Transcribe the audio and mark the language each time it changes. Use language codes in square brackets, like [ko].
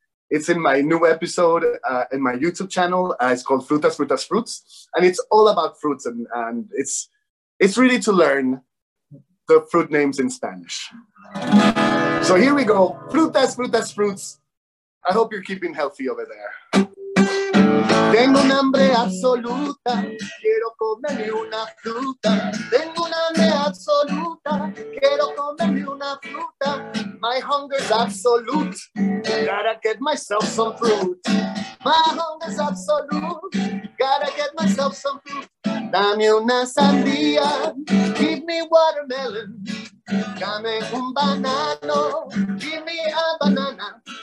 [en] It's in my new episode in my YouTube channel. It's called Frutas, Frutas, Fruits. And it's all about fruits. And it's really to learn the fruit names in Spanish. So here we go. Frutas, Frutas, Fruits. I hope you're keeping healthy over there. [es] Tengo un hambre absoluta, quiero comerme una fruta. Tengo un hambre absoluta, quiero comerme una fruta. [en] My hunger's absolute, gotta get myself some fruit. My hunger's absolute, gotta get myself some fruit. [es] Dame una sandía, [en] give me watermelon. [es] Dame un banano, [en] give me a banana.